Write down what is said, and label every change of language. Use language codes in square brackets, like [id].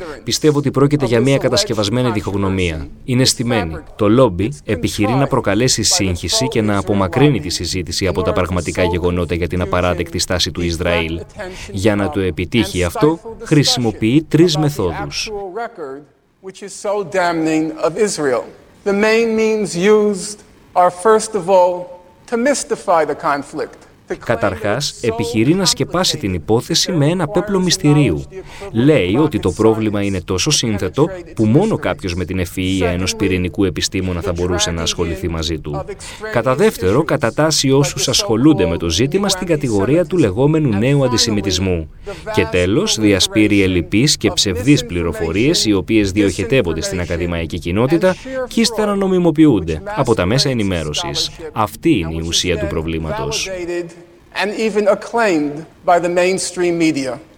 [el] Πιστεύω ότι πρόκειται για μια κατασκευασμένη διχογνωμία. Είναι στημένη. Το λόμπι επιχειρεί να προκαλέσει σύγχυση και να απομακρύνει τη συζήτηση από τα πραγματικά γεγονότα για την απαράδεκτη στάση του Ισραήλ. Για να το επιτύχει αυτό, χρησιμοποιεί τρεις μεθόδους. [en] The main means used are first of all to mystify the conflict. [el] Καταρχάς, επιχειρεί να σκεπάσει την υπόθεση με ένα πέπλο μυστηρίου. Λέει ότι το πρόβλημα είναι τόσο σύνθετο που μόνο κάποιος με την ευφυΐα ενός πυρηνικού επιστήμονα θα μπορούσε να ασχοληθεί μαζί του. Κατά δεύτερο, κατατάσσει όσους ασχολούνται με το ζήτημα στην κατηγορία του λεγόμενου νέου αντισημιτισμού. Και τέλος, διασπείρει ελλιπείς και ψευδείς πληροφορίες οι οποίες διοχετεύονται στην ακαδημαϊκή κοινότητα και ύστερα νομιμοποιούνται από τα μέσα ενημέρωσης. Αυτή είναι η ουσία του προβλήματος. [en] And even acclaimed by the mainstream media.